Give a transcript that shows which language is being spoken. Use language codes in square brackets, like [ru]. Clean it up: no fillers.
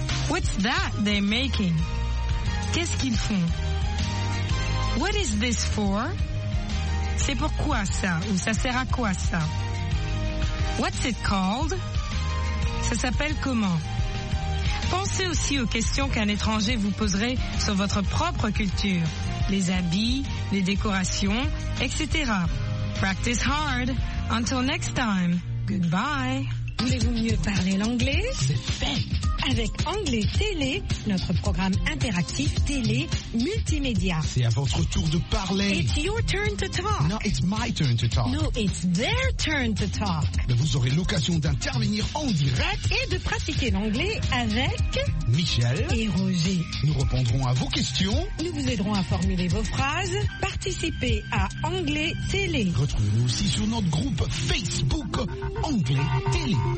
[en] What's that they're making? [fr] Qu'est-ce qu'ils font? [en] What is this for? [fr] C'est pourquoi ça? Ou ça sert à quoi ça? [en] What's it called? [fr] Ça s'appelle comment? Pensez aussi aux questions qu'un étranger vous poserait sur votre propre culture. Les habits, les décorations, etc. [en] Practice hard. Until next time. Goodbye. [fr] Voulez-vous mieux parler l'anglais? C'est fait. Avec Anglais Télé, notre programme interactif télé multimédia. C'est à votre tour de parler. [en] It's your turn to talk. No, it's my turn to talk. No, it's their turn to talk. [fr] Mais vous aurez l'occasion d'intervenir en direct et de pratiquer l'anglais avec Michel et Roger. Nous répondrons à vos questions. Nous vous aiderons à formuler vos phrases. Participez à Anglais Télé. Retrouvez-nous aussi sur notre groupe Facebook Anglais Télé.